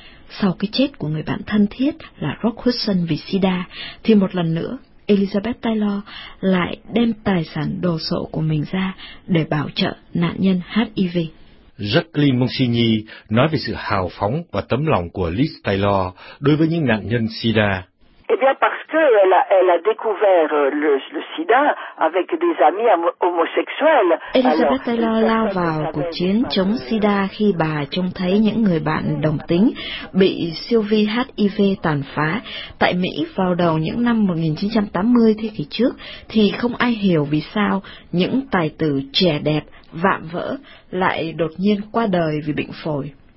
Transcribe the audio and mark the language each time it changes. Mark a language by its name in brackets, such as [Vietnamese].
[Vietnamese] Sau cái chết của người bạn thân thiết là Rock Hudson vì sida, thì một lần nữa Elizabeth Taylor lại đem tài sản đồ sộ của mình ra để bảo trợ nạn nhân HIV. Jacqueline Monsigny nói về sự hào phóng và tấm lòng của Liz Taylor đối với những nạn nhân sida. [French] Eh bien parce que elle a découvert le sida avec des amis homosexuels. [Vietnamese] Elizabeth Taylor lao vào cuộc chiến chống sida khi bà trông thấy những người bạn đồng tính bị siêu vi HIV tàn phá tại Mỹ vào đầu những năm 1980 thế kỷ trước, thì không ai hiểu vì sao những tài tử trẻ đẹp vạm vỡ lại đột nhiên qua đời vì bệnh phổi.